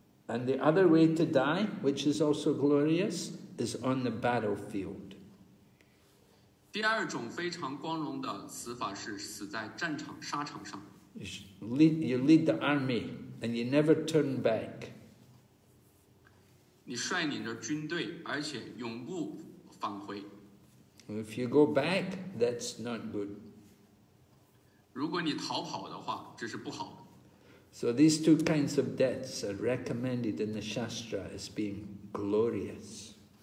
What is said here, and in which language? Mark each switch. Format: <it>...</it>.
<en>And the other way to die, which is also glorious, is on the battlefield.</en> <zh>第二种非常光荣的死法是死在战场沙场上。</zh> <en>You lead the army and you never turn back.</en> <zh>你率领着军队，而且永不返回。</zh> <en>If you go back, that's not good.</en> <zh>如果你逃跑的话，这是不好的。</zh> <en>So these two kinds of deaths are recommended in the Shastra as being glorious.</en>